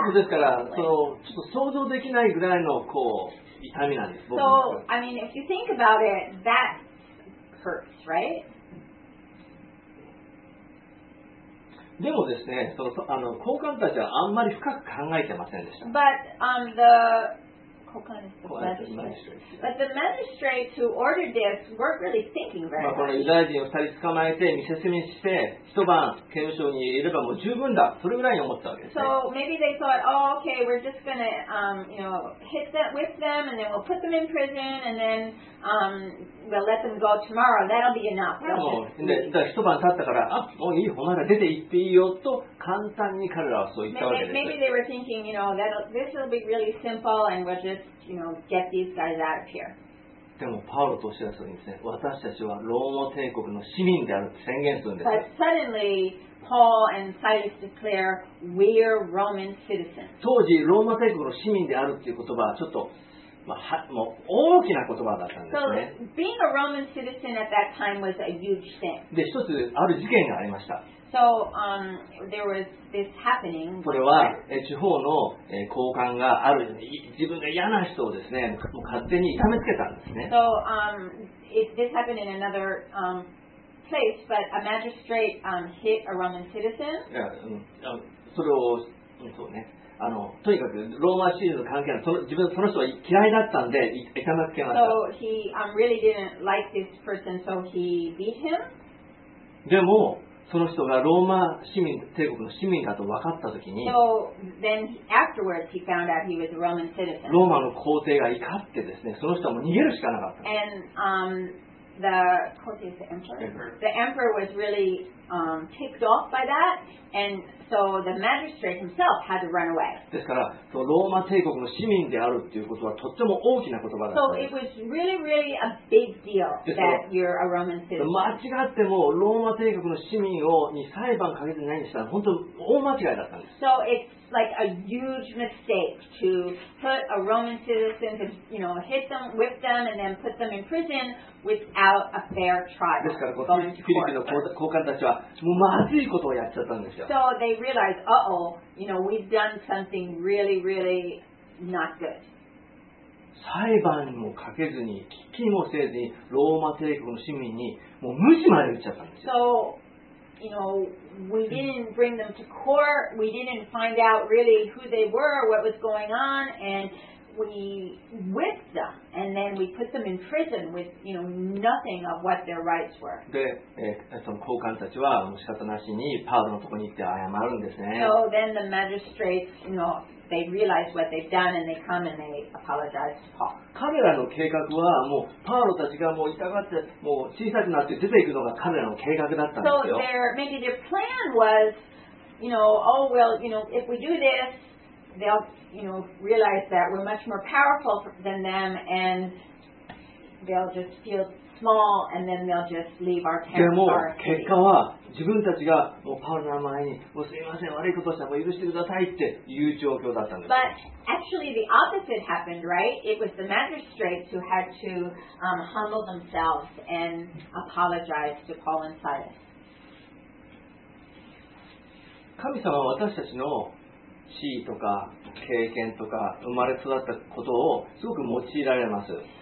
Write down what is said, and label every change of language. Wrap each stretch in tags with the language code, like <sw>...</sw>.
<ja>そうですから、ちょっと想像できないぐらいのこう痛みなんです。</ja> <en>So I mean, if you think about it, that hurts, right?</en> <ja>でもですね、その高官たちはあんまり深く考えてませんでした。</ja> <en>But the 高官 is the magistrate. But the magistrates who ordered this weren't really thinking very much.</en> <ja>まあこのユダヤ人を二人捕まえて見せしめして一晩刑務所にいればもう十分だ、それぐらいに思ったわけです、ね。</ja> <en>So maybe they thought, oh, okay, we're just gonna hit that with them and then we'll put them in prison and then we'll let them go tomorrow. That'll be enough.</en> <ja>で、だ一晩経ったから、あ、もういい、お前ら出て行っていいよと簡単に彼らはそう言ったわけです。</ja> <en>Maybe they were thinking, this will be really simple, and we'll just, get these guys out of here.</en> <ja>でもパウロとシラスにですね、私たちはローマ帝国の市民であると宣言するんです。</ja> <en>But suddenly, Paul and Silas declare, "We're Roman citizens."</en> <ja>当時ローマ帝国の市民であるっていう言葉はちょっと。まあ、もう大きな言葉だったんですね。</ja> <en>So, being a Roman citizen at that time was a huge thing.</en> <ja>で、一つある事件がありました。</ja> <en>So, there was this happening.</en> <ja>これは地方の高官がある自分が嫌な人をですね、もう勝手に痛めつけたんですね。</ja> <en>So, this happened in another place, but a magistrate hit a Roman citizen.</en> <ja>それをそうね。あのとにかくローマ人の関係の自分その人は嫌いだったんで行かなくてました</ja> <en>So he really didn't like this person, so he beat him.</en> <ja>でもその人がローマ市民帝国の市民だと分かったときに、</ja> <en>So then afterwards he found out he was a Roman citizen.</en> <ja>ローマの皇帝が怒ってですね、その人はもう逃げるしかなかった。</ja> <en>And the court is the emperor. The emperor was really ticked off by that, and so the magistrate himself had to run away.</en> <ja>ですから、そのローマ帝国の市民であるっていうことはとっても大きな言葉だった。</ja> <en>So it was really, really a big deal that you're a Roman citizen.</en> <ja>間違ってもローマ帝国の市民をに裁判かけてないにしたら本当大間違いだったんです。</ja> <en>So it's like a huge mistake to put a Roman citizen, to, you know, hit them, whip them, and then put them in prison. Without a fair trial.</en> <ja>ですからフィリピンの高官たちはもうまずいことをやっちゃったんですよ。</ja> <en>So they realized, uh-oh, you know, we've done something really, really not good.</en> <ja>裁判もかけずに、聞きもせずに、ローマ帝国の市民にもう無視まで言っちゃったんですよ。</ja> <en>So, you know, we didn't bring them to court. We didn't find out really who they were, what was going on, andWe whipped them, and then we put them in prison with, you know, nothing of what their rights were.</en> <ja>で、その高官たちは仕方なしにパウロのとこに行って謝るんですね。</ja> <en>So then the magistrates, you know, they realize what they've done, and they come and they apologize to Paul.</en> <ja>彼らの計画はもうパウロたちがもう痛がってもう小さくなって出ていくのが彼らの計画だったんですよ。</ja> <en>So their maybe their plan was, you know, oh well, you know, if we do this. They'll, you know, realize that we're much more powerful than them, and they'll just feel small, and then they'll just leave our town.</en> <ja>でも結果は自分たちがもうパウロの前にもうすみません悪いことしたもう許してくださいっていう状況だったんです。</ja> <en>But actually, the opposite happened, right? It was the magistrates who had to humble themselves and apologize to Paul and Silas.</en> <ja>神様は私たちの地位とか経験とか生まれ育ったことをすごく用いられます。</ja>